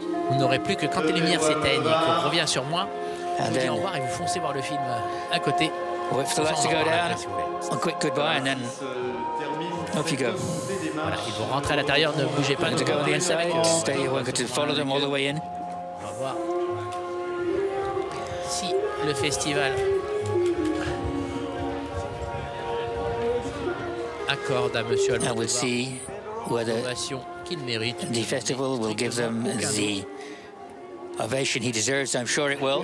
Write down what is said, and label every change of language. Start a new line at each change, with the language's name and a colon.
French: Vous n'aurez plus que quand les lumières s'éteignent et qu'on revient sur moi, vous dites au revoir et vous foncez voir le film à côté.
English: Wait for the lights to go down. A quick goodbye and then off you go.
French: Voilà, ils vont rentrer à l'intérieur, ne bougez pas.
English: We're going to go on the inside. Stay, we're going to follow them all the way in.
French: Au revoir. Si le festival accorde à Monsieur Almodovar l'ovation qu'il mérite,
English: the festival will give them the ovation he deserves, I'm sure it will.